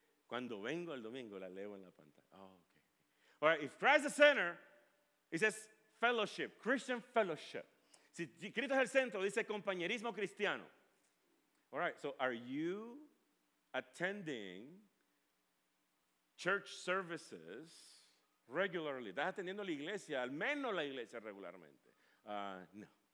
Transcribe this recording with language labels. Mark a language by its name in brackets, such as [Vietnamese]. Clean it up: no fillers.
[Spanish] Cuando vengo el domingo, la leo en la pantalla. Oh, okay. [English] All right, if Christ is the center, he says fellowship, Christian fellowship. [Spanish] Si Cristo es el centro, dice compañerismo cristiano. [English] All right, so are you attending church services regularly? [Spanish] ¿Estás atendiendo la iglesia, al menos la iglesia regularmente?